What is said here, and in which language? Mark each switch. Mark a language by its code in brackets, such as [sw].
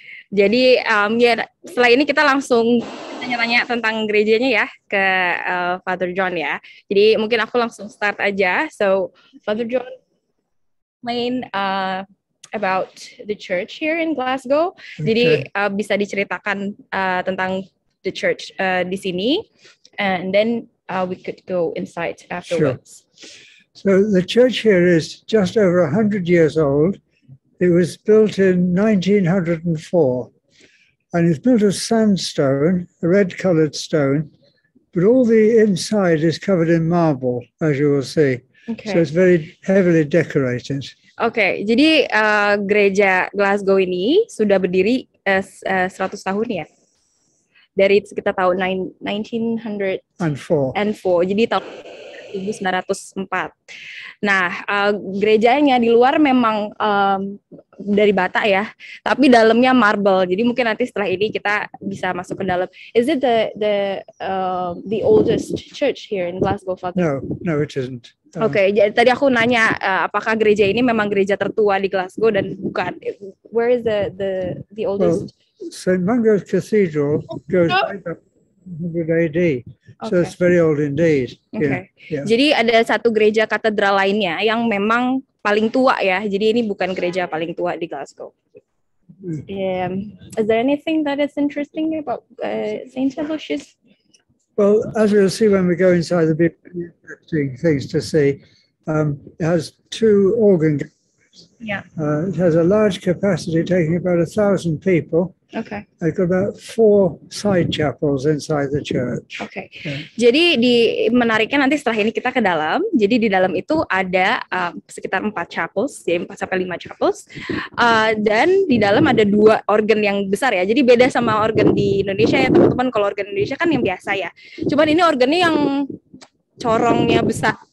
[id] Jadi, setelah ini kita langsung tanya-tanya tentang gerejanya ya ke Father John ya. Jadi mungkin aku langsung start aja. [en] So Father John, explain about the church here in Glasgow. [id] Okay. Jadi bisa diceritakan tentang the church di sini, [en] and then we could go inside afterwards. Sure. So the church here is just over 100 years old. It was built in 1904. And it's built of sandstone, a red-colored stone, but all the inside is covered in marble, as you will see. Okay. So it's very heavily decorated. [id] Okay, jadi gereja Glasgow ini sudah berdiri 100 tahun ya? Dari sekitar tahun 1904. Jadi tahun 1904. Nah, gerejanya di luar memang dari bata ya, tapi dalamnya marble. Jadi mungkin nanti setelah ini kita bisa masuk ke dalam. [en] Is it the oldest church here in Glasgow, Father? No, it isn't. [id] Oke, jadi tadi aku nanya apakah gereja ini memang gereja tertua di Glasgow dan bukan. [en] Where is the oldest? Well, St. Mungo's Cathedral goes right up 100 AD, so okay. It's very old indeed. Okay. Yeah. [id] Jadi ada satu gereja katedral lainnya yang memang paling tua ya, jadi ini bukan gereja paling tua di Glasgow. [en] Is there anything that is interesting about St. Aloysius? Well, as we'll see when we go inside, there'll be pretty interesting things to see. It has two organ galleries. Yeah. It has a large capacity, taking about 1,000 people. Okay. I've got about 4 side chapels inside the church. Okay. Yeah. [id] Jadi di menariknya nanti setelah ini kita ke dalam. Jadi di dalam itu ada sekitar 4 chapels, ya 4 sampai 5 chapels. Dan di dalam ada 2 organ yang besar ya. Jadi beda sama organ di Indonesia ya, teman-teman. Kalau organ Indonesia kan yang biasa ya. Cuman ini organnya yang corongnya besar.